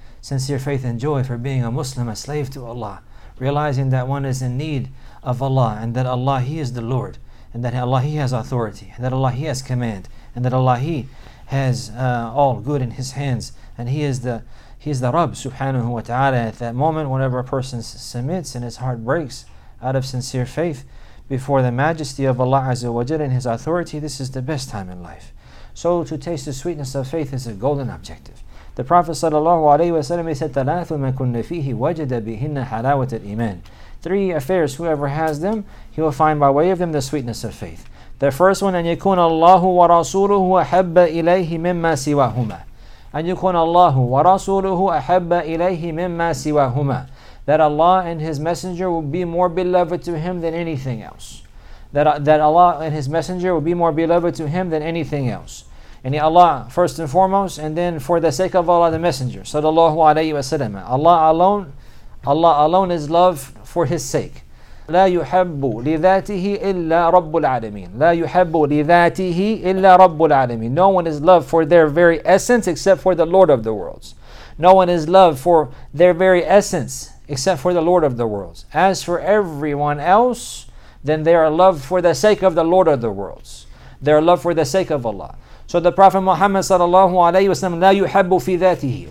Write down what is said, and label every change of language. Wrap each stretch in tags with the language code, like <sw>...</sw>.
<en>Sincere faith and joy for being a Muslim, a slave to Allah. Realizing that one is in need of Allah, and that Allah, He is the Lord, and that Allah, He has authority, and that Allah, He has command, and that Allah, He has all good in His hands, and He is the Rabb subhanahu wa ta'ala. At that moment, whenever a person submits and his heart breaks out of sincere faith before the majesty of Allah Azza wa Jalla and His authority, this is the best time in life. So to taste the sweetness of faith is a golden objective. The Prophet sallallahu alayhi wa sallam said,</en> <ar>ثَلَاثُ مَا كُنَّ فِيهِ وَجَدَ بِهِنَّ حَلَاوَةَ الْإِيمَانِ.</ar> <en>Three affairs, whoever has them, he will find by way of them the sweetness of faith. The first one,</en> <ar>أَنْ يَكُونَ اللَّهُ وَرَسُولُهُ أَحَبَّ إِلَيْهِ مِمَّا سِوَاهُمَا. أَنْ يَكُونَ اللَّهُ وَرَسُولُهُ أَحَبَّ إِلَيْهِ مِمَّا سِوَاهُمَا.</ar> <en>that Allah and His Messenger will be more beloved to him than anything else. That Allah and His Messenger will be more beloved to him than anything else. And Allah first and foremost, and then for the sake of Allah the Messenger, sallallahu alayhi wa sallam. Allah alone is love for His sake.</en> <ar>لا يحب لذاته إلا رب العالمين. لا يحب لذاته إلا رب العالمين.</ar> <en>No one is loved for their very essence except for the Lord of the worlds. No one is loved for their very essence except for the Lord of the worlds. As for everyone else, then they are loved for the sake of the Lord of the worlds. They are loved for the sake of Allah. So the Prophet Muhammad sallallahu alayhi wa sallam,</en> <ar>لا يحب في ذاته.</ar>